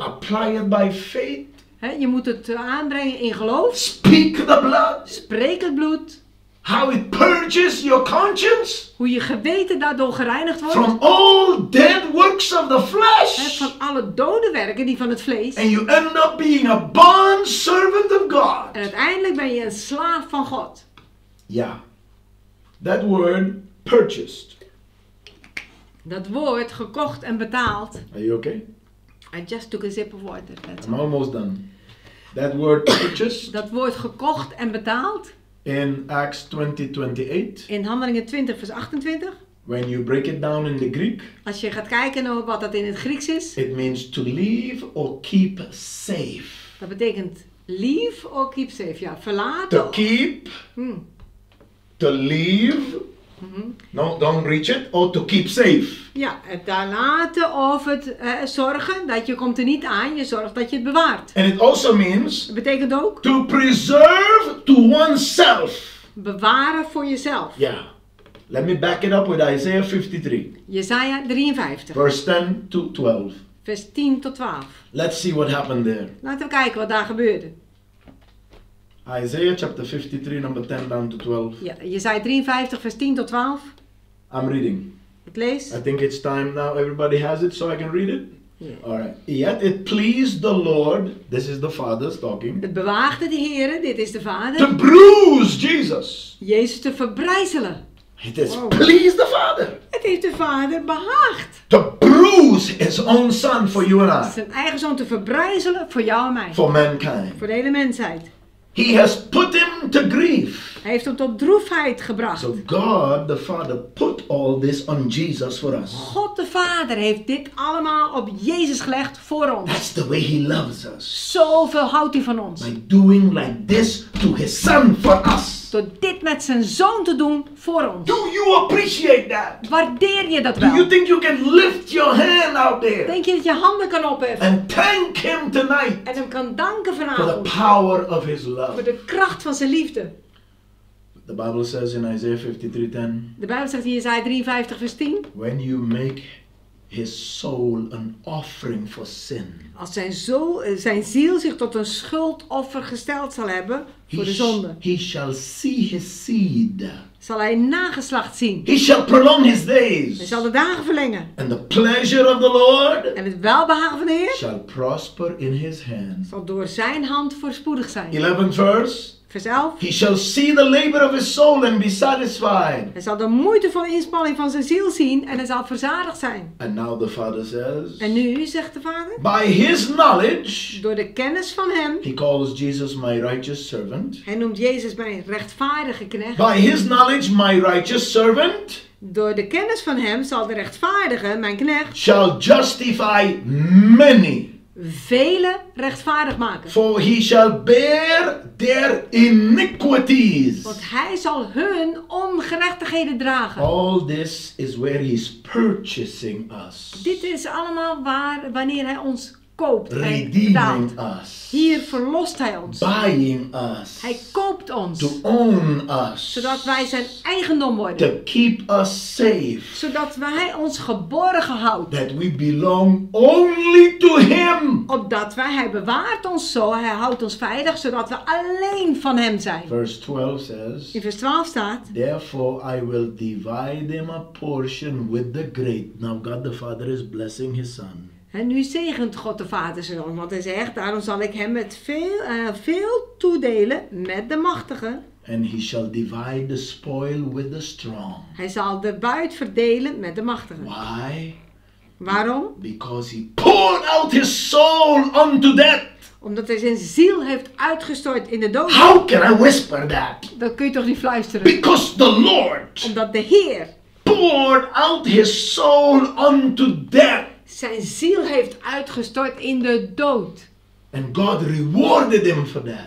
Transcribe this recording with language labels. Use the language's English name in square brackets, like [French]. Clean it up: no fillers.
[English] Apply it by faith. [Dutch] He, je moet het aanbrengen in geloof. [English] Speak the blood. [Dutch] Spreek het bloed. [English] How it purges your conscience. [Dutch] Hoe je geweten daardoor gereinigd wordt. [English] From all dead works of the flesh. [Dutch] En van alle dode werken die van het vlees. [English] And you end up being a bond servant of God. [Dutch] En uiteindelijk ben je een slaaf van God. [English] Ja. That word purchased. [Dutch] Dat woord gekocht en betaald. [English] Are you okay? I just took a sip of water. I'm almost done. That word purchased. [Dutch] Dat woord gekocht en betaald. [English] In Acts 20:28. [Dutch] In Handelingen 20 vers 28. [English] When you break it down in the Greek. [Dutch] Als je gaat kijken over wat dat in het Grieks is. [English] It means to leave or keep safe. [Dutch] Dat betekent [English] leave or keep safe. [Dutch] Ja, verlaten. [English] To keep. To leave No, don't reach it, or to keep safe. [Dutch] Ja, het daar laten of het zorgen dat je komt er niet aan, je zorgt dat je het bewaart. [English] And it also means, [Dutch] het betekent ook, [English] to preserve to oneself. [Dutch] Bewaren voor jezelf. [English] Ja, yeah. Let me back it up with Isaiah 53. [Dutch] Jesaja 53. [English] Verse 10 to 12. [Dutch] Vers 10 tot 12. [English] Let's see what happened there. [Dutch] Laten we kijken wat daar gebeurde. [English] Isaiah chapter 53, number 10 down to 12. [Dutch] Ja, Jesaja 53, vers 10 tot 12. [English] I'm reading. [Dutch] Ik lees. [English] I think it's time now everybody has it so I can read it. Yeah. All right. Yet it pleased the Lord, this is the Father's talking. [Dutch] Het bewaagde de Heer, dit is de Vader. [English] To bruise Jesus. [Dutch] Jezus te verbrijzelen. [English] It has pleased the Father. [Dutch] Het heeft de Vader behaagd. [English] To bruise his own son for you and I. [Dutch] Zijn eigen zoon te verbrijzelen voor jou en mij. [English] For mankind. [Dutch] Voor de hele mensheid. [English] He has put him to grief. [Dutch] Hij heeft hem tot droefheid gebracht. [English] So God the Father put all this on Jesus for us. [Dutch] God de Vader heeft dit allemaal op Jezus gelegd voor ons. [English] That's the way he loves us. [Dutch] Zoveel houdt hij van ons. [English] By doing like this to his son for us. [Dutch] Door dit met zijn zoon te doen voor ons. [English] Do you appreciate that? [Dutch] Waardeer je dat [English] Do [Dutch] wel? [English] Do you think you can lift your hand out there? [Dutch] Denk je dat je handen kan opheffen? [English] And thank him tonight. [Dutch] En hem kan danken vanavond. [English] For the power of his love. [Dutch] Voor de kracht van zijn liefde. [English] The Bible says in Isaiah 53:10. [Dutch] De Bijbel zegt in Jesaja 53 vers 10. [English] When you make his soul an offering for sin. [Dutch] Als zijn ziel zich tot een schuldoffer gesteld zal hebben voor de zonde. [English] He shall see his seed. [Dutch] Zal hij nageslacht zien. [English] He shall prolong his days. [Dutch] Hij zal de dagen verlengen. [English] And the pleasure of the Lord. [Dutch] En het welbehagen van de Heer. [English] Shall prosper in his hand. [Dutch] Zal door zijn hand voorspoedig zijn. [English] 11th verse. [Dutch] Vers 11. [English] He shall see the labor of his soul and be satisfied. [Dutch] Hij zal de moeitevolle inspanning van zijn ziel zien en hij zal verzadigd zijn. [English] And now the Father says. [Dutch] En nu zegt de Vader. [English] By his knowledge. [Dutch] Door de kennis van hem. [English] He calls Jesus my righteous servant. [Dutch] Hij noemt Jezus mijn rechtvaardige knecht. [English] By his knowledge my righteous servant. [Dutch] Door de kennis van hem zal de rechtvaardige mijn knecht. [English] Shall justify many. [Dutch] Vele rechtvaardig maken. [English] For he shall bear their iniquities. [Dutch] Want hij zal hun ongerechtigheden dragen. [English] All this is where he's purchasing us. [Dutch] Dit is allemaal waar wanneer hij ons koopt. [English] Redeeming us. [Dutch] Hier verlost hij ons. [English] Buying us. [Dutch] Hij koopt ons. [English] To own us. [Dutch] Zodat wij zijn eigendom worden. [English] To keep us safe. [Dutch] Zodat wij ons geborgen houden. [English] That we belong only to him. [Dutch] Opdat wij, hij bewaart ons zo, hij houdt ons veilig, zodat we alleen van hem zijn. [English] Verse 12 says. [Dutch] In vers 12 staat. [English] Therefore I will divide him a portion with the great. Now God the Father is blessing his son. [Dutch] En nu zegent God de Vader zijn zoon, want hij zegt, daarom zal ik hem met veel toedelen met de machtigen. [English] And he shall divide the spoil with the strong. [Dutch] Hij zal de buit verdelen met de machtigen. [English] Why? [Dutch] Waarom? [English] Because he poured out his soul unto death. [Dutch] Omdat hij zijn ziel heeft uitgestort in de dood. [English] How can I whisper that? [Dutch] Dat kun je toch niet fluisteren? [English] Because the Lord. [Dutch] Omdat de Heer. [English] Poured out his soul unto death. [Dutch] Zijn ziel heeft uitgestort in de dood. [English] And God rewarded him for that.